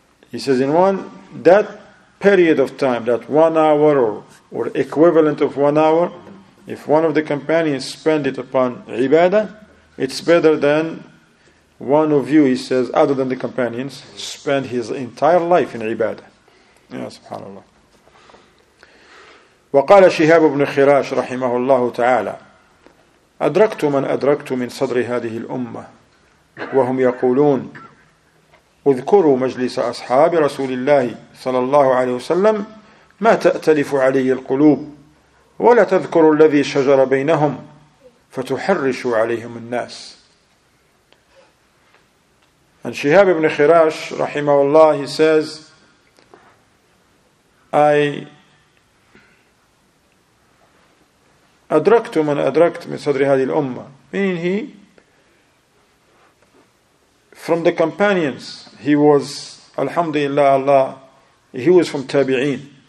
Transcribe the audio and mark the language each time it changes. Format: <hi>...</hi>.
<en>He says in one, that period of time, that 1 hour or equivalent of 1 hour, if one of the companions spend it upon ibadah, it's better than one of you, he says, other than the companions, spend his entire life in ibadah. Yeah, subhanAllah.</en> <ar>وقال شهاب بن خراش رحمه الله تعالى أدركت من أدركت من صدر هذه الأمة وهم يقولون اذكروا مجلس أصحاب رسول الله صلى الله عليه وسلم ما تأتلف عليه القلوب ولا تذكروا الذي شجر بينهم فتحرشوا عليهم الناس.</ar> <en>And</en> <ar>شهاب بن خراش رحمه الله,</ar> <en>he says, I</en> <ar>أدركت من أدركت من صدر هذه الأمة,</ar> <en>meaning he, from the companions, he was, alhamdulillah Allah, he was from tabi'een.</en>